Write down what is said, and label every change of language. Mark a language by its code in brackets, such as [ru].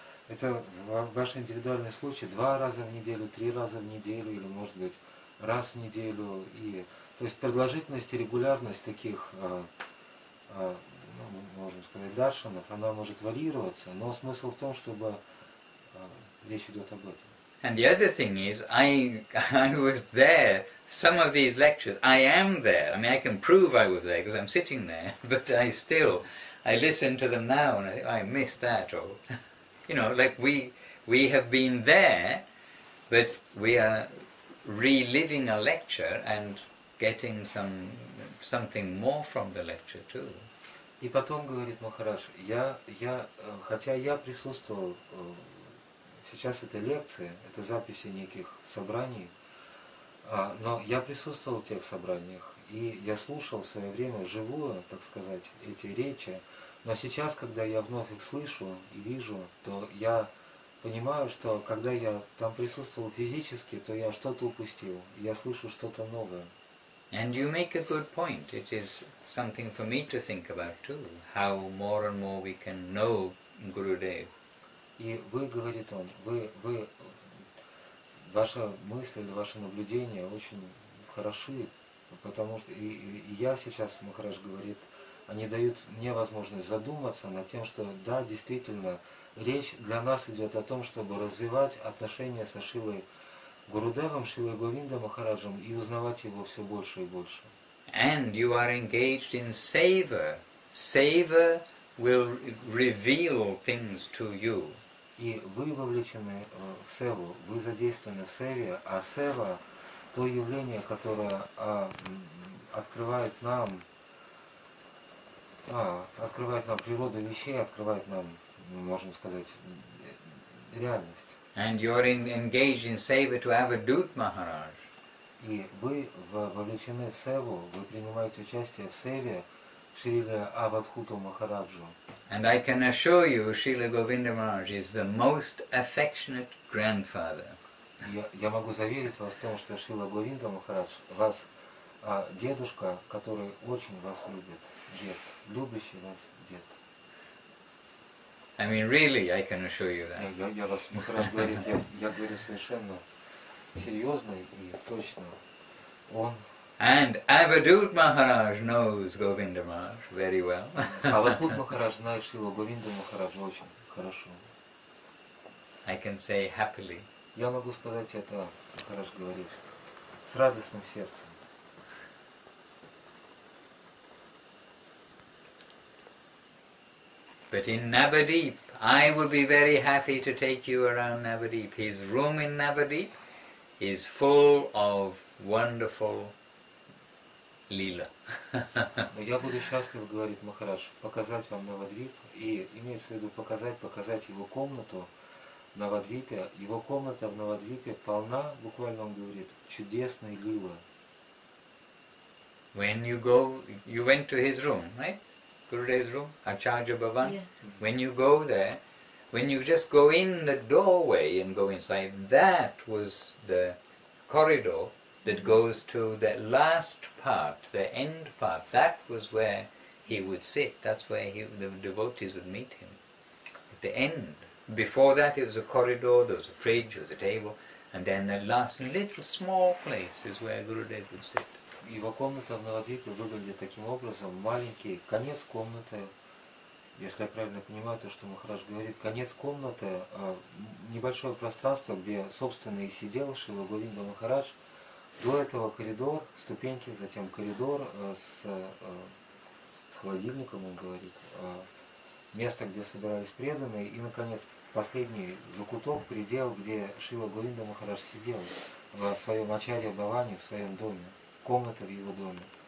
[ru] Это ваш индивидуальный случай, два раза в неделю, три раза в неделю, или, может быть, раз в неделю. И, то есть продолжительность и регулярность таких, ну, можем сказать, даршанов, она может варьироваться, но смысл в том, чтобы речь идет об этом. [en] And the other thing is, I was there, some of these lectures, I am there. I mean, I can prove I was there, because I'm sitting there, but I listen to them now, and I missed that, or... You know, like we have been there, but we are reliving a lecture and getting something more from the lecture too. [ru] И потом говорит Махарадж, я хотя я присутствовал сейчас этой лекции, это записи неких собраний, но я присутствовал в тех собраниях и я слушал в свое время вживую, так сказать, эти речи. Но сейчас, когда я вновь их слышу и вижу, то я понимаю, что когда я там присутствовал физически, то я что-то упустил. Я слышу что-то новое. [en] And you make a good point. It is something for me to think about too. How more and more we can know Gurudev. [ru] И вы, говорит он, вы ваши мысли, ваши наблюдения очень хороши, потому что и я сейчас, Махарадж говорит, они дают мне возможность задуматься над тем, что да, действительно, речь для нас идет о том, чтобы развивать отношения со Шилой Гурудевом, Шилой Говиндой Махараджем и узнавать его все больше и больше. [en] And you are engaged in seva. Seva will reveal things to you. [ru] И вы вовлечены в севу, вы задействованы в севе, а сева – то явление, которое открывает нам открывает нам природу вещей, открывает нам, можем сказать, реальность. [en] And you are engaged in seva to Avadhut Maharaj. [ru] И вы вовлечены в севу, вы принимаете участие в севе Шрилы Авадхуту Махараджу. [en] And I can assure you, Шрила Говинда Махарадж is the most affectionate grandfather. [ru] Я могу заверить вас в том, что Шрила Говинда Махарадж вас дедушка, который очень вас любит. Дед, любящий вас дед. [en] I mean, really, I can assure you that. [ru] Я вас, Махарадж говорит, я говорю совершенно серьезно и точно. [en] And Avadhut Maharaj knows Govinda Maharaj very well. [ru] Avadhut Maharaj знает Шрила Говинда Махараджа очень хорошо. [en] I can say happily. [ru] Я могу сказать это, Махарадж говорит, с радостным сердцем. [en] But in Navadvip, I would be very happy to take you around Navadvip. His room in Navadvip is full of wonderful Лила. [ru] Но я буду счастлив, говорит Махарадж, показать вам Навадвип, и имеется в виду показать его комнату в Навадвипе. Его комната в Навадвипе полна, буквально он говорит, чудесной Лилы. [en] When you go, you went to his room, right? Gurudev's room, Acharya Bhavan. Yeah. When you go there, when you just go in the doorway and go inside, that was the corridor that goes to the last part, the end part. That was where he would sit. That's where the devotees would meet him. At the end. Before that, it was a corridor. There was a fridge. There was a table. And then the last little small place is where Gurudev would sit. [ru] Его комната в Навадвипе выглядит таким образом: маленький конец комнаты. Если я правильно понимаю то, что Махарадж говорит, конец комнаты, небольшое пространство, где собственно и сидел Шрила Говинда Махарадж. До этого коридор, ступеньки, затем коридор с холодильником, он говорит, место, где собирались преданные, и, наконец, последний закуток, предел, где Шрила Говинда Махарадж сидел в своем Ачарья Бхаване, в своем доме, комната в его доме.